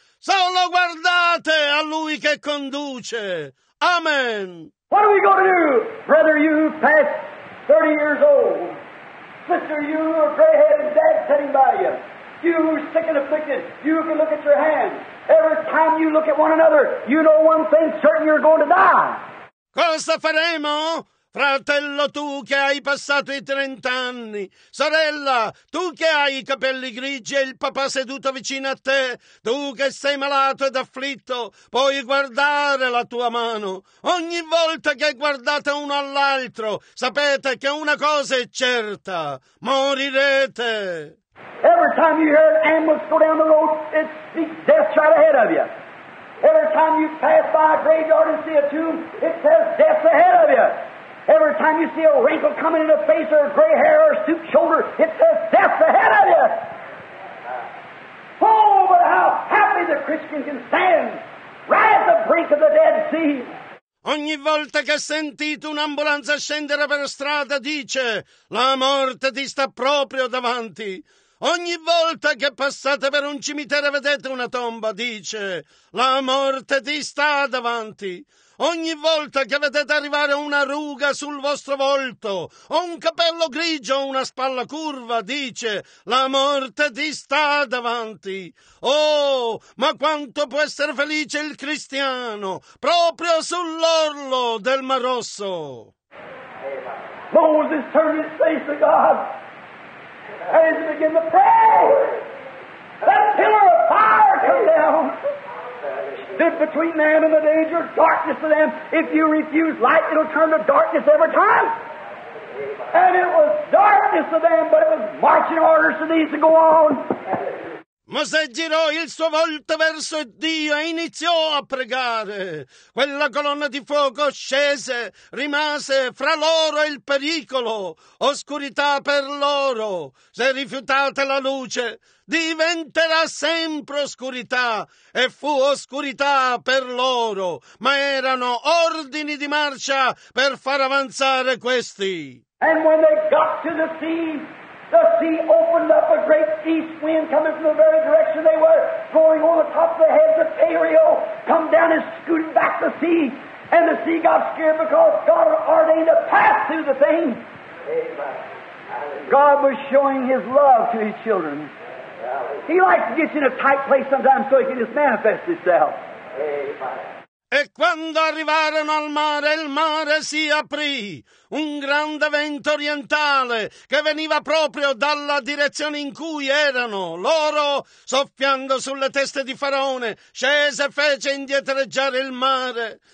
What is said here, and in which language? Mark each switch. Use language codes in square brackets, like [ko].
[it] Solo guardate a lui che conduce. Amen. [en] What are we going to do? Brother, you who passed 30 years old. Sister, you who are gray-headed and dad sitting by you. You who are sick and afflicted. You who can look at your hands. Every time you look at one another, you know one thing certain, you're going to die. [it] Cosa faremo? Fratello, tu che hai passato i 30 anni, sorella, tu che hai i capelli grigi e il papà seduto vicino a te, tu che sei malato ed afflitto, puoi guardare la tua mano. Ogni volta che guardate uno all'altro, sapete che una cosa è certa: morirete. [en] Every time you hear an ambulance go down the road, it's death right ahead of you. Every time you pass by a graveyard and see a tomb, it says death ahead of you. Every time you see a wrinkle coming in a face or a gray hair or a stooped shoulder, it says death ahead of you. Oh, but how happy the Christian can stand right at the brink of the Dead Sea. [it] Ogni volta che sentite un'ambulanza scendere per strada, dice: la morte ti sta proprio davanti. Ogni volta che passate per un cimitero e vedete una tomba, dice: la morte ti sta davanti. Ogni volta che vedete arrivare una ruga sul vostro volto, o un capello grigio o una spalla curva, dice: la morte ti sta davanti. Oh, ma quanto può essere felice il cristiano proprio sull'orlo del Mar Rosso! [en] Moses turned his face to God as he began to pray. That pillar of fire come down. Sit between them and the danger, darkness to them. If you refuse light, it'll turn to darkness every time. And it was darkness to them, but it was marching orders to these to go on. [it] Mosè girò il suo volto verso Dio e iniziò a pregare. Quella colonna di fuoco scese, rimase fra loro e il pericolo, oscurità per loro. Se rifiutate la luce, diventerà sempre oscurità, e fu oscurità per loro, ma erano ordini di marcia per far avanzare questi. [en] And when they got to the sea, the sea opened up, a great east wind coming from the very direction they were, going on the top of the heads of Ariel, come down and scooting back the sea. And the sea got scared because God ordained a path through the thing. God was showing his love to his children. He likes to get you in a tight place sometimes so he can just manifest himself. [it] E quando arrivarono al mare, il mare si aprì. Un grande vento orientale che veniva proprio dalla direzione in cui erano. Loro, soffiando sulle teste di Faraone, scese e fece indietreggiare il mare.